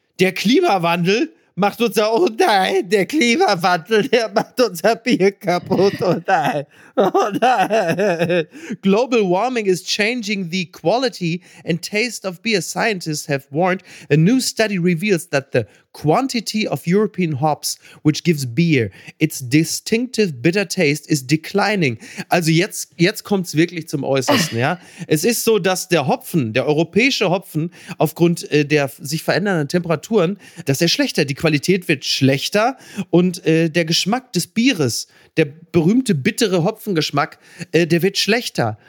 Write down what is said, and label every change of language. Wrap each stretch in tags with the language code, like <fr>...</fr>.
<de>Der Klimawandel macht unser... Oh nein, der Klimawandel, der macht unser Bier kaputt. Oh nein, oh nein.</de> <en>Global warming is changing the quality and taste of beer. Scientists have warned. A new study reveals that the quantity of European hops, which gives beer its distinctive bitter taste, is declining.</en> <de>Also jetzt kommt es wirklich zum Äußersten. Ja? Es ist so, dass der Hopfen, der europäische Hopfen, aufgrund der sich verändernden Temperaturen, dass er schlechter, die Qualität wird schlechter und der Geschmack des Bieres, der berühmte bittere Hopfengeschmack, der wird schlechter.</de>